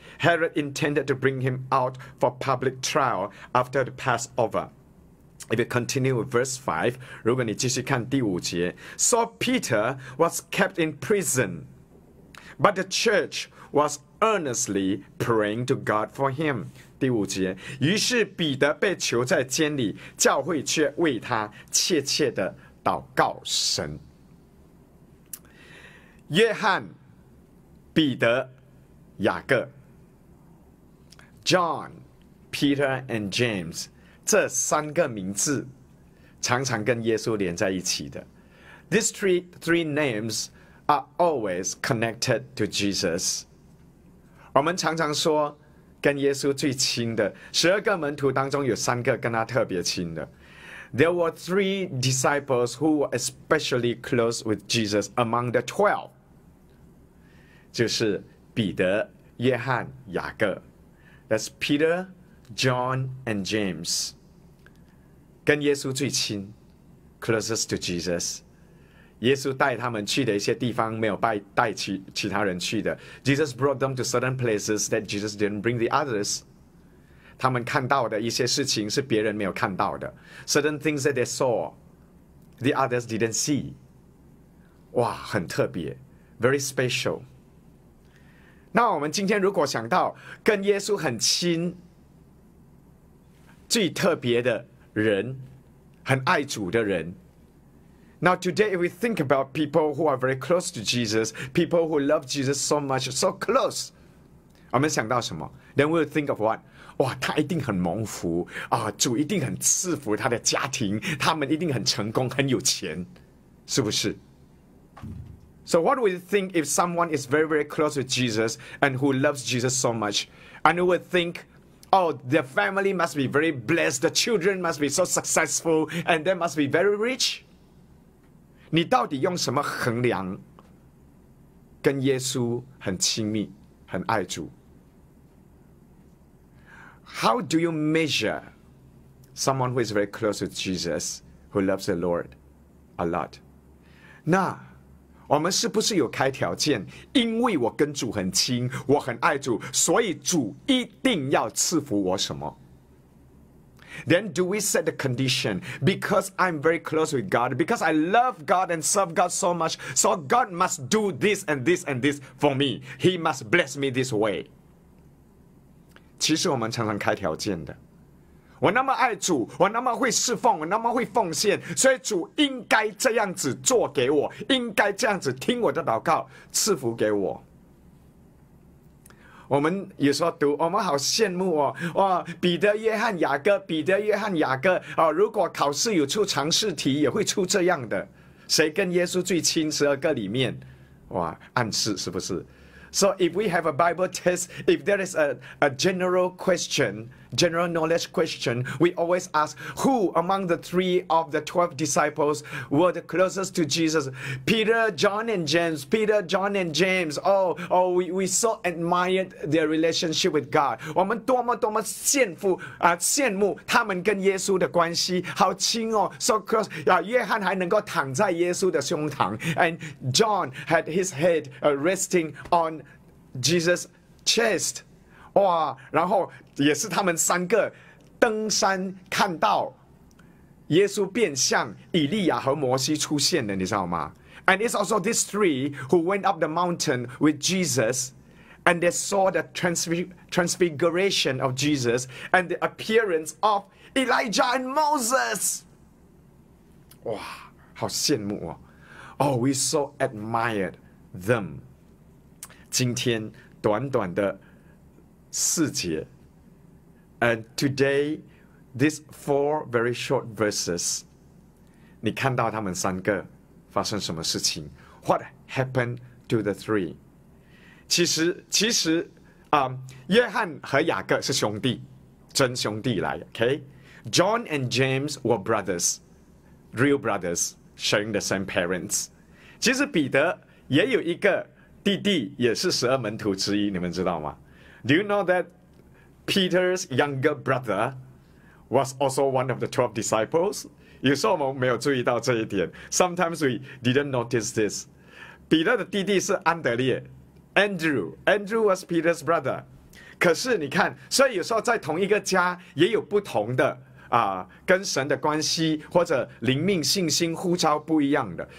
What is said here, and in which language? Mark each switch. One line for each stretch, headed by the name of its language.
English: Herod intended to bring him out for public trial after the Passover. If you continue with verse 5,
Chinese: 如果你继续看第五节
English: So Peter was kept in prison, but the church was earnestly praying to God for him.
Chinese: 第五节，于是彼得被囚在监里，教会却为他切切的祷告神。
English: 约翰、彼得、雅各 John, Peter and James.
Chinese: 这三个名字常常跟耶稣连在一起的。
English: These three names are always connected to Jesus.
Chinese: 我们常常说跟耶稣最亲的十二个门徒当中有三个跟他特别亲的。
English: There were three disciples who were especially close with Jesus among the 12.
Chinese: 就是
English: 彼得、约翰、雅各。That's Peter, John and James.
Chinese: 跟耶稣最亲
English: closest to Jesus
Chinese: 耶稣带他们去的一些地方没有带 其他人去的。
English: Jesus brought them to certain places that Jesus didn't bring the others.
Chinese: 他们看到的一些事情是别人没有看到的。
English: Certain things that they saw, the others didn't see.
Chinese: 哇，很特别，
English: very special.
Chinese: 那我们今天如果想到跟耶稣很亲，最特别的人，很爱主的人。
English: Now today, if we think about people who are very close to Jesus, people who love Jesus so much, so close,
Chinese: 我们想到什么？
English: Then we'll think of what?
Chinese: 哇，他一定很蒙福啊，主一定很赐福他的家庭，他们一定很成功，很有钱，是不是？
English: So what would you think if someone is very, very close to Jesus and who loves Jesus so much? And we would think, oh, their family must be very blessed, the children must be so successful, and they must be very rich?
Chinese: 你到底用什么衡量跟耶稣很亲密很爱主？
English: How do you measure someone who is very close to Jesus, who loves the Lord a lot?
Chinese: 那我们是不是有开条件？因为我跟主很亲，我很爱主，所以主一定要赐福我什么？
English: Then do we set the condition? Because I'm very close with God, because I love God and serve God so much, so God must do this and this and this for me. He must bless me this way.
Chinese: 其实我们常常开条件的。我那么爱主，我那么会侍奉，我那么会奉献，所以主应该这样子做给我，应该这样子听我的祷告，赐福给我。我们有时候读，我们好羡慕哦！哇，彼得、约翰、雅各，彼得、约翰、雅各啊、哦！如果考试有出常识题，也会出这样的。谁跟耶稣最亲？十二个里面，哇，暗示是不是 ？
English: So if we have a Bible test, if there is a general question, general knowledge question, we always ask who among the three of the 12 disciples were the closest to Jesus? Peter, John, and James. Peter, John, and James. We so admired their relationship with God.
Chinese: 我们多么多么羡慕啊，羡慕他们跟耶稣的关系好亲哦 ，
English: so close.
Chinese: 啊，约翰还能够躺在耶稣的胸膛 ，
English: and John had his head resting on Jesus' chest.
Chinese: 哇，然后。也是他们三个登山看到耶稣变相以利亚和摩西出现的，你知道吗？
English: And it's also these three who went up the mountain with Jesus and they saw the transfiguration of Jesus and the appearance of Elijah and Moses.
Chinese: 哇，好羡慕哦。
English: Oh, we so admired them.
Chinese: 今天短短的四节。
English: And today, these four very short verses,
Chinese: 你看到他们三个发生什么事情？
English: What happened to the three?
Chinese: 其实，约翰和雅各是兄弟，真兄弟来，
English: okay? John and James were brothers, real brothers, sharing the same parents.
Chinese: 其实彼得也有一个弟弟，也是十二门徒之一，你们知道吗？
English: Do you know that? Peter's younger brother was also one of the 12 disciples.
Chinese: 有时候我们没有注意到这一点。
English: Sometimes we didn't notice this.
Chinese: 彼得的弟弟是安德烈
English: ，Andrew. Andrew was Peter's brother.
Chinese: 可是你看，所以有时候在同一个家也有不同的啊，跟神的关系或者灵命信心呼召不一样的。